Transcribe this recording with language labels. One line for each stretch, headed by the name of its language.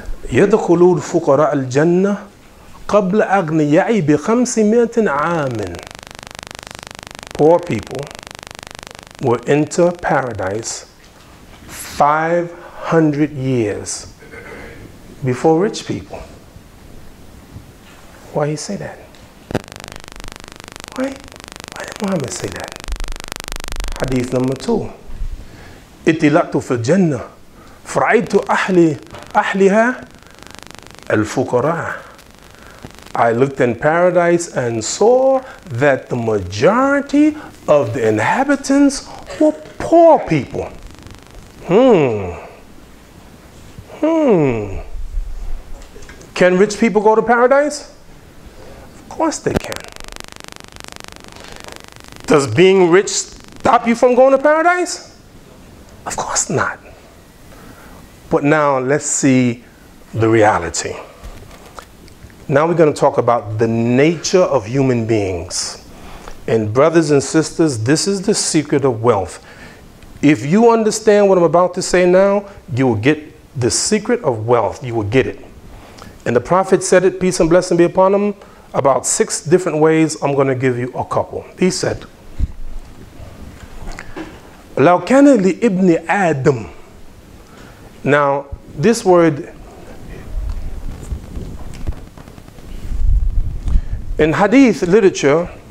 Arabic: يدخل الفقراء الجنة قبل أغنياء بخمسمائة عام.
English: Poor people will enter paradise 500 years before rich people. Why he say that? Why did Muhammad say that? Hadith number two.
Arabic: اتلقت في الجنة فرأيت أهلها الفقراء.
English: I looked in paradise and saw that the majority of the inhabitants were poor people. Can rich people go to paradise? Of course they can. Does being rich stop you from going to paradise? Of course not. But now let's see the reality. Now we're going to talk about the nature of human beings. And brothers and sisters, this is the secret of wealth. If you understand what I'm about to say now, you will get the secret of wealth. You will get it. And the Prophet said it, peace and blessing be upon him, about six different ways. I'm going to give you a couple. He said,
Arabic: لَوْ كَانَ لِإِبْنِ آدَمْ.
English: Now, this word, in hadith literature,